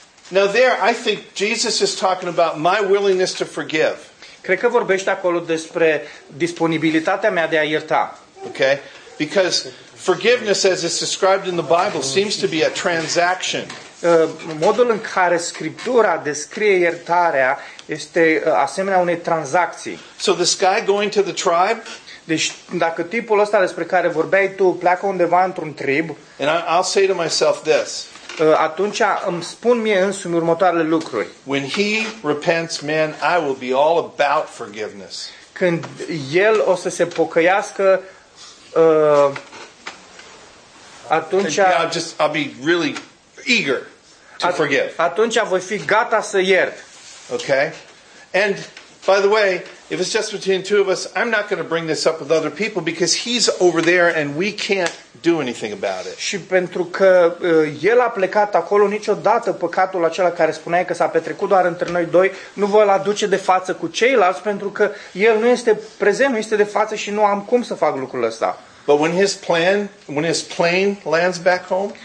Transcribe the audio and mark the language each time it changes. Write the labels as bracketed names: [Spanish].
[English] Now there, I think Jesus is talking about my willingness to forgive. [Romanian] Cred că vorbește acolo despre disponibilitatea mea de a ierta. [English] Okay? Because forgiveness, as it's described in the Bible, seems to be a transaction. [Romanian] Modul în care Scriptura descrie iertarea este asemenea unei tranzacții. [English] So this guy going to the tribe? [Romanian] Deci dacă tipul ăsta despre care vorbeai tu pleacă undeva într-un trib, [English] and I'll say to myself this. [Romanian] Atunci îmi spun mie însumi următoarele lucruri. [English] When he repents, man, I will be all about forgiveness. [Romanian] Când el o să se pocăiască, atunci [English] I'll be really eager to forgive. [Romanian] Atunci voi fi gata să iert. [English] Okay? And by the way, if it's just between two of us, I'm not going to bring this up with other people because he's over there and we can't do anything about it. [Romanian] Și pentru că el a plecat acolo, niciodată păcatul acela care spunea că s-a petrecut doar între noi doi, nu voi-l aduce de față cu ceilalți pentru că el nu este prezent, nu este de față și nu am cum să fac lucrul ăsta. [English] But when his plane lands back home?